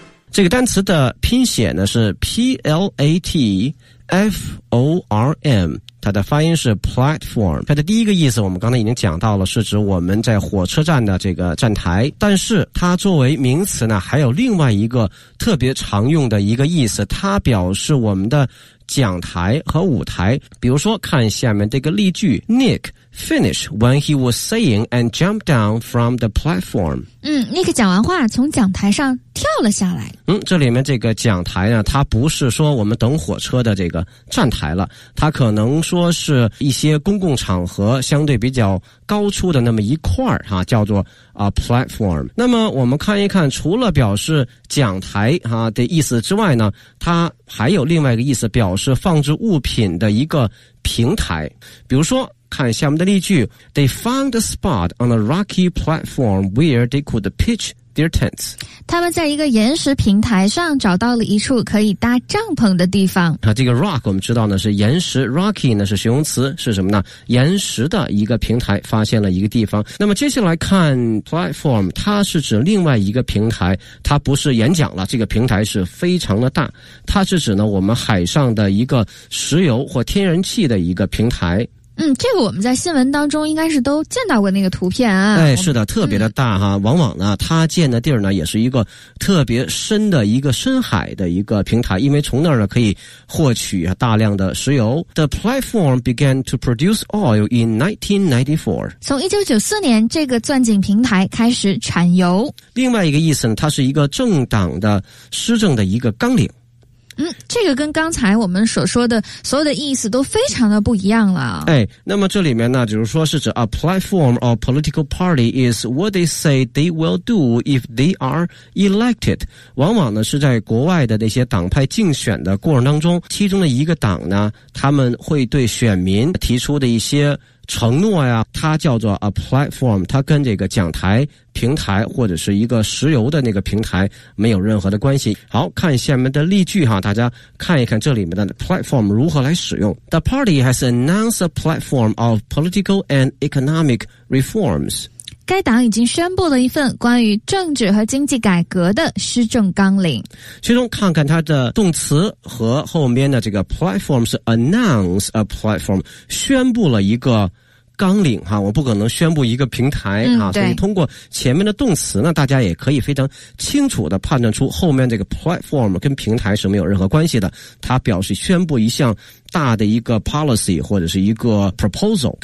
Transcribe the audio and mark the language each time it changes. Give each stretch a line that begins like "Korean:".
Chinese: 这个单词的拼写呢是 platform， 它的发音是 platform。它的第一个意思我们刚才已经讲到了，是指我们在火车站的这个站台，但是它作为名词呢还有另外一个特别常用的一个意思，它表示我们的讲台和舞台。比如说看下面这个例句，
English: Nick finished when he was saying and jumped down from the platform。
Chinese: Nick 讲完话从讲台上跳了下来。这里面这个讲台呢，它不是说我们等火车的这个站台了，它可能说是一些公共场合相对比较高出的那么一块啊，叫做 a platform。那么我们看一看，除了表示讲台啊的意思之外呢，它还有另外一个意思，表示放置物品的一个平台。比如说看下面的例句，
English: They found a spot on a rocky platform where they could pitch their tents。
Chinese: 他们在一个岩石平台上找到了一处可以搭帐篷的地方。这个 rock 我们知道呢是岩石， rocky 呢是形容词，是什么呢？岩石的一个平台，发现了一个地方。那么接下来看 platform， 它是指另外一个平台，它不是演讲了，这个平台是非常的大，它是指呢我们海上的一个石油或天然气的一个平台。这个我们在新闻当中应该是都见到过那个图片啊。哎，是的，特别的大哈。往往呢它建的地儿呢也是一个特别深的一个深海的一个平台，因为从那儿呢可以获取大量的石油。
English: The platform began to produce oil in 1994.
Chinese: 从1994年这个钻井平台开始产油。另外一个意思呢，它是一个政党的施政的一个纲领。这个跟刚才我们所说的所有的意思都非常的不一样了。哎，那么这里面呢，比如说是指
English: a platform or political party is what they say they will do if they are elected。
Chinese: 往往呢是在国外的那些党派竞选的过程当中，其中的一个党呢，他们会对选民提出的一些承诺呀，它叫做 a platform， 它跟这个讲台平台或者是一个石油的那个平台没有任何的关系。好，看下面的例句哈，大家看一看这里面的 platform 如何来使用。
English: The party has announced a platform of political and economic reforms。
Chinese: 该党已经宣布了一份关于政治和经济改革的施政纲领。其中看看它的动词和后面的这个 platform 是 announce a platform， 宣布了一个纲领哈，我不可能宣布一个平台啊，所以通过前面的动词呢，大家也可以非常清楚的判断出后面这个 platform 跟平台是没有任何关系的，它表示宣布一项大的一个 policy 或者是一个 proposal。